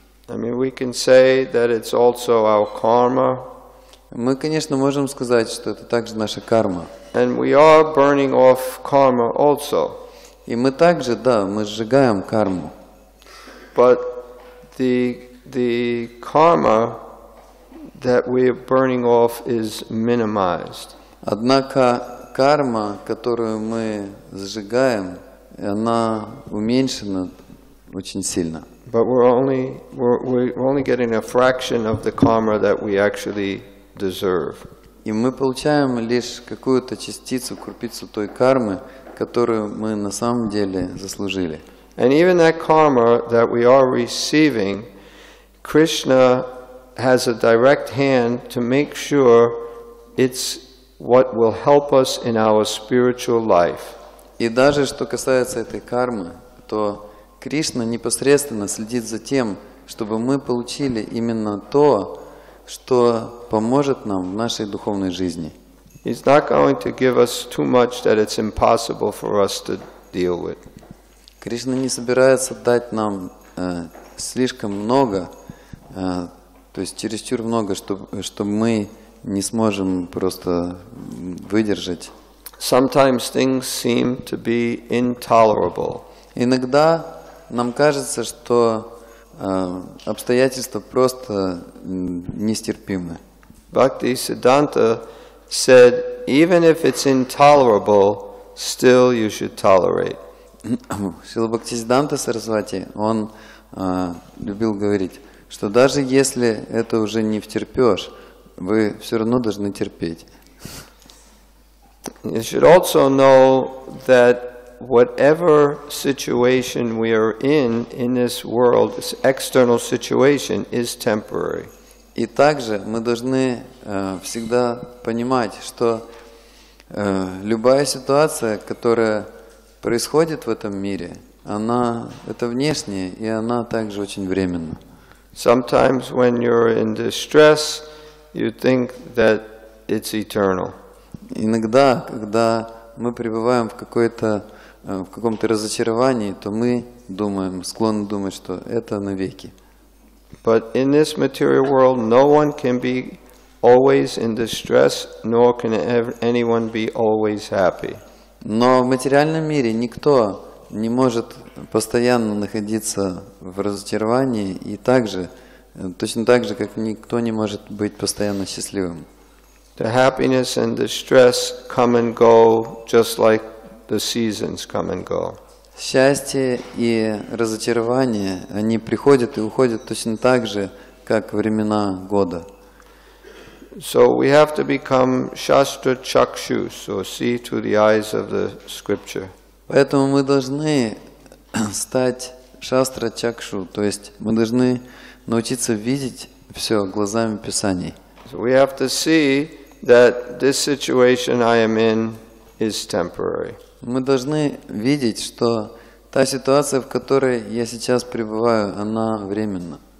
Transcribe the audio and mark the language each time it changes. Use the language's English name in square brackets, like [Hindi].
[English] I mean, we can say that it's also our karma. [Russian] Мы, конечно, можем сказать, что это также наша карма. [English] And we are burning off karma also. [Russian] И мы также, да, мы сжигаем карму. [English] But the karma that we are burning off is minimized. [Russian] Однако карма, которую мы сжигаем, она уменьшена очень сильно. [English] But we're only getting a fraction of the karma that we actually deserve. [Russian] И мы получаем лишь какую-то частицу, крупицу той кармы, которую мы на самом деле заслужили. [English] And even that karma that we are receiving, Krishna has a direct hand to make sure it's what will help us in our spiritual life. [Russian] И даже что касается этой кармы, то Кришна непосредственно следит за тем, чтобы мы получили именно то, что поможет нам в нашей духовной жизни. [English] He's not going to give us too much that it's impossible for us to deal with. [Russian] Кришна не собирается дать нам слишком много, то есть чересчур много, чтобы мы не сможем просто выдержать. [English] Sometimes things seem to be intolerable. [Russian] Иногда нам кажется, что обстоятельства просто нестерпимы. [English] Бхакти Сиддханта said, even if it's intolerable, still you should tolerate. [Russian] Шрила Бхактисиддханта Сарасвати, он любил говорить, что даже если это уже не втерпешь, вы все равно должны терпеть. [English] You should also know that whatever situation we are in this world, this external situation is temporary. [Russian] И также мы должны всегда понимать, что любая ситуация, которая происходит в этом мире, она это внешняя, и она также очень временна. [English] Sometimes when you're in distress, you think that it's eternal. [Russian] Иногда, когда мы пребываем в какой-то в каком-то разочаровании, то мы думаем, склонны думать, что это навеки. [English] But in this material world, no one can be always in distress, nor can anyone be always happy. [Russian] Но в материальном мире никто не может постоянно находиться в разочаровании и также точно так же, как никто не может быть постоянно счастливым. [English] The happiness and the stress come and go, just like the seasons come and go. [Russian] Счастье и разочарование, они приходят и уходят точно так же, как времена года. [English] So we have to become shastra chakshu, so see through the eyes of the scripture. [Russian] Поэтому мы должны стать шастра чакшу, то есть мы должны научиться видеть все глазами Писаний. [English] So we have to see that this situation I am in is temporary. [Russian] Мы должны видеть, что та ситуация, в которой я сейчас пребываю, она временна.